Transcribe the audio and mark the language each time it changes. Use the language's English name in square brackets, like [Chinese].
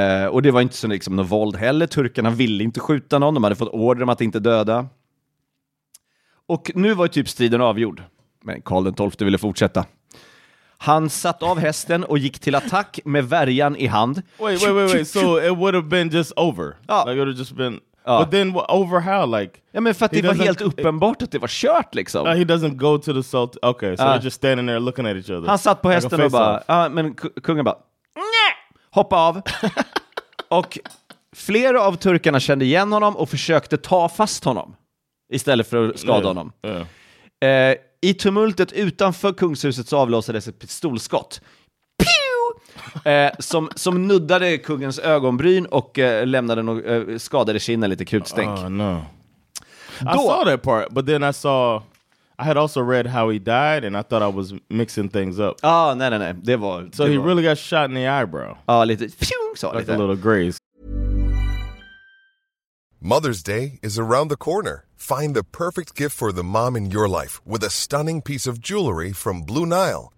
[Swedish] Och det var inte så liksom något våld heller. Turkarna ville inte skjuta någon. De hade fått order om att inte döda. Och nu var typ striden avgjord. Men Karl den 12 ville fortsätta. Han satt av hästen och gick till attack med värjan i hand. [English] Wait. So it would have been just over. [Swedish] Ja. [English] Like it would have just been. Ja. But then over how, like? [Swedish] Ja, men för att det var helt uppenbart att det var kört liksom. [English] He doesn't go to the salt. Okay, so they're just standing there looking at each other. [Swedish] Han satt på hästen like och bara. Ja, men kungen bara. Hoppa av. Och flera av turkarna kände igen honom och försökte ta fast honom istället för att skada honom. [English] Yeah. [Swedish] I tumultet utanför kungshuset så avlossades ett pistolskott. Pew! Som nuddade kungens ögonbryn och skadade kinden lite krutstänk. [English] Oh, no. I saw that part, but then I saw... I had also read how he died and I thought I was mixing things up. [Swedish] Oh, nej. Det var... [English] So [Swedish] det [English] he [Swedish] var. [English] Really got shot in the eyebrow. [Swedish] Oh, lite... Pew, så [English] like [Swedish] lite. [English] A little graze. Mother's Day is around the corner. Find the perfect gift for the mom in your life with a stunning piece of jewelry from Blue Nile.